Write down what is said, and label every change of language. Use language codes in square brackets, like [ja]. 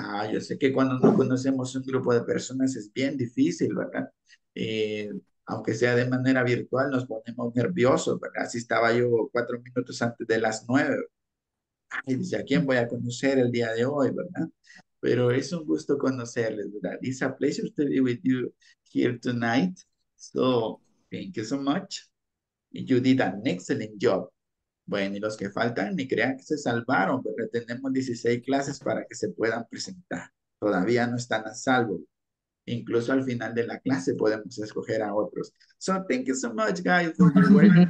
[es] Yo sé que cuando no conocemos un grupo de personas es bien difícil, ¿verdad? Aunque sea de manera virtual, nos ponemos nerviosos, ¿verdad? Así estaba yo 4 minutos antes de las 9. Y dice, ¿a quién voy a conocer el día de hoy, verdad? Pero es un gusto conocerles, ¿verdad? [en] It's a pleasure to be with you here tonight. So, thank you so much. You did an excellent job. [es] Bueno, y los que faltan, ni crean que se salvaron, pero tenemos 16 clases para que se puedan presentar. Todavía no están a salvo. Incluso al final de la clase podemos escoger a otros. [en] So, thank you so much, guys, for your work.